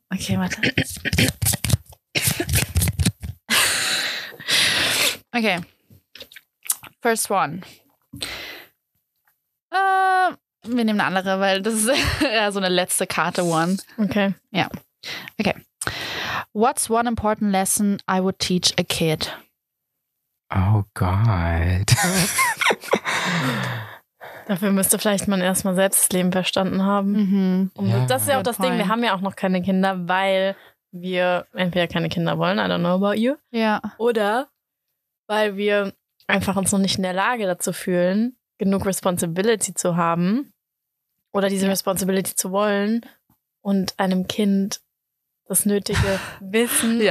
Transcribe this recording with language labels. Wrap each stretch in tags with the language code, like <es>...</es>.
<de>Okay, warte.</de> <en>Okay. First one.</en> <de>Wir nehmen eine andere, weil das ist eher so eine letzte Karte one.</de> <en>Okay.</en> <de>Ja.</de> <en>Yeah. Okay. What's one important lesson I would teach a kid?</en> <de>Oh Gott. Dafür müsste vielleicht man erstmal selbst das Leben verstanden haben. Mhm. Und yeah, das ist ja auch das point. Ding, wir haben ja auch noch keine Kinder, weil wir entweder keine Kinder wollen,</de> <en>I don't know about you.</en> <de>Ja.</de> <en>Yeah.</en> <de>Oder weil wir einfach uns noch nicht in der Lage dazu fühlen, genug Responsibility zu haben oder diese Responsibility zu wollen und einem Kind das nötige Wissen</de>